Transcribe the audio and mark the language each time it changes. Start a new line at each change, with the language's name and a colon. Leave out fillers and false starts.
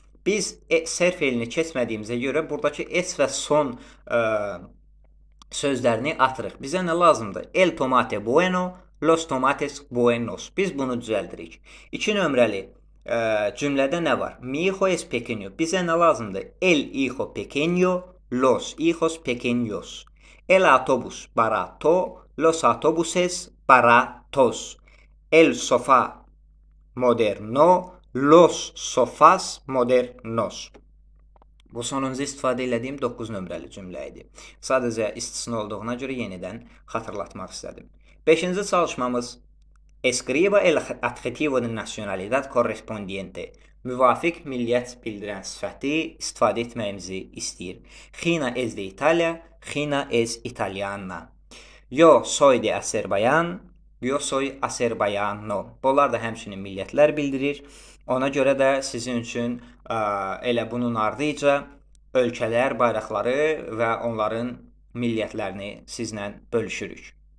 Azerbaijani: Biz sərf elini keçmədiyimizə görə buradakı es və son sözlərini atırıq. Bizə nə lazımdır?
Spanish: El tomate bueno, los tomates buenos.
Azerbaijani: Biz bunu düzəldirik. İki nömrəli cümlədə nə var?
Spanish: Mi hijo es pequeño.
Azerbaijani: Bizə nə lazımdır?
Spanish: El hijo pequeño, los hijos pequeños. El autobus barato, los autobuses baratos. El sofá moderno. Los sofas modernos.
Azerbaijani: Bu sonuncu istifadə elədiyim 9 nömrəli cümlə idi. Sadəcə istisna olduğuna görə yenidən xatırlatmaq istədim. 5-ci çalışmamız.
Spanish: Escriba el adjetivo de nacionalidad correspondiente.
Azerbaijani: Müvafiq milliyyət bildirən sifəti istifadə etməyimizi istəyir.
Spanish: Xina es de Italia, Xina es italiana. Yo soy de Azerbaycan. Yo soy Azerbaycano.
Azerbaijani: Bunlar da həmçinin milliyyətlər bildirir. Ona görə də sizin üçün elə bunun ardıca ölkələr, bayraqları və onların milliyyətlərini sizlə bölüşürük.